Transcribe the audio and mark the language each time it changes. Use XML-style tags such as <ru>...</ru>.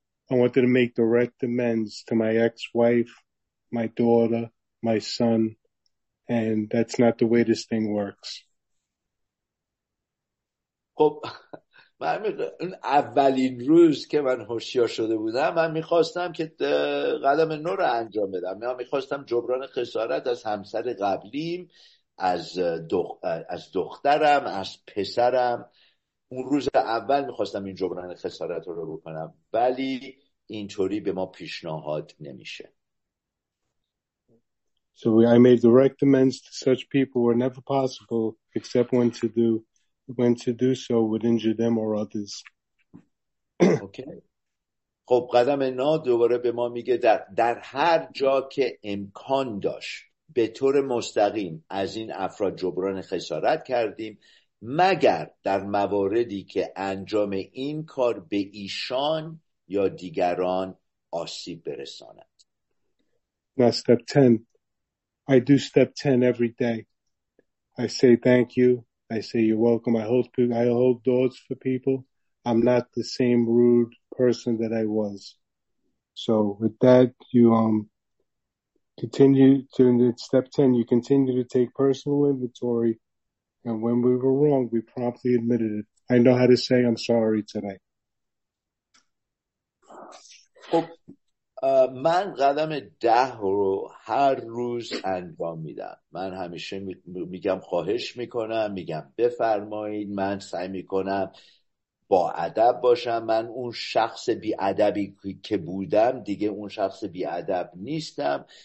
<en>I wanted to make direct amends to my ex-wife, my daughter, my son, and that's not the way this thing works.</en> <fa>خب من اولین روز که من هوشیار شده بودم من میخواستم که قدم نو رو انجام بدم. من میخواستم جبران خسارت از همسر قبلیم، از دخترم، از پسرم. اون روز اول میخواستم این جبران خسارت رو بکنم، ولی اینطوری به ما پیشنهاد نمیشه.</fa> <en>So I made direct amends to such people were never possible except when to do so would injure them or others. Okay.</en> <fa>خب قدم نه دوباره به ما میگه در هر جا که امکان داشت به طور مستقیم از این افراد جبران خسارت کردیم، مگر در مواردی که انجام این کار به ایشان یا دیگران آسیب برساند.</fa> <en>Now step 10. I do step 10 every day. I say thank you. I say you're welcome. I hold doors for people. I'm not the same rude person that I was. So with that, you continue to step 10. You continue to take personal inventory. And when we were wrong, we promptly admitted it. I know how to say I'm sorry today.</en> <fa>خب من قدم 10 رو هر روز انجام میدم. من همیشه میگم خواهش میکنم، میگم بفرمایید. من سعی میکنم با ادب باشم. من اون شخص بی ادبی که بودم دیگه اون شخص بی ادب نیستم.</fa>